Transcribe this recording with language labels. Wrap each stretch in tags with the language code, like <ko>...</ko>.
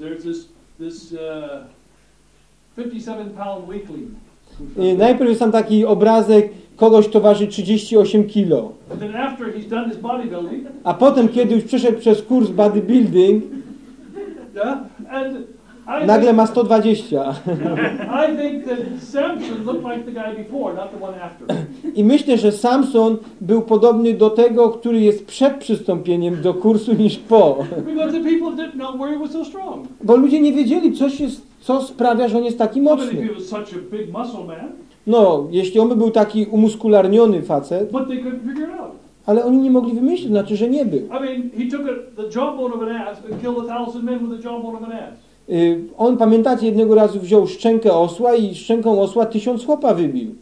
<en>There's this 57-pound weakling.</en> <pl>Najpierw jest tam taki obrazek kogoś, kto waży 38 kilo.</pl> <en>And then after he's done his bodybuilding.</en> <pl>A potem, kiedy już przeszedł przez kurs bodybuilding,</pl> <en>yeah? And</en> <pl>nagle ma 120.</pl> <en>I think that Samson looked like the guy before, not the one after.</en> <pl>I myślę, że Samson był podobny do tego, który jest przed przystąpieniem do kursu, niż po.</pl> <en>Because the people didn't know where he was so strong.</en> <pl>Bo ludzie nie wiedzieli, co sprawia, że on jest taki mocny.</pl> <en>But if he was such a big muscle man,</en> <pl>no, jeśli on by był taki umuskularniony facet,</pl> <en>but they couldn't figure it out.</en> <pl>Ale oni nie mogli wymyślić, znaczy, że nie był.</pl> <en>I mean, he took the jawbone of an ass and killed 1,000 men with the jawbone of an ass.</en> <pl>On, pamiętacie, jednego razu wziął szczękę osła i szczęką osła 1,000 chłopa wybił.</pl>